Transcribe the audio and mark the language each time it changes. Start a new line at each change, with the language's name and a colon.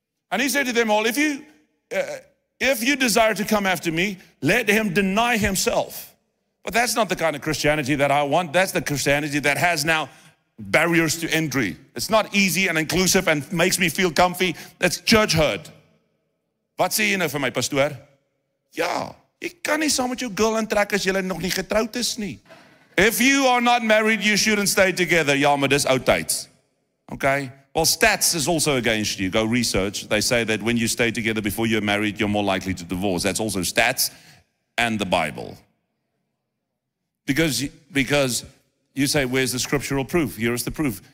English: And he said to them all, if you desire to come after me, let him deny himself. But that's not the kind of Christianity that I want. That's the Christianity that has now barriers to entry. It's not easy and inclusive and makes me feel comfy. That's church hurt.
Afrikaans: Wat sê jy nou vir my, pastoor? Ja, ek kan nie saam met jou girl intrek as jy nog nie getroud is nie.
English: If you are not married, you shouldn't stay together.
Afrikaans: Ja, maar dis oud tyd.
English: Okay? Well, stats is also against you. Go research. They say that when you stay together before you're married, you're more likely to divorce. That's also stats and the Bible. Because you say, where's the scriptural proof? Here is the proof.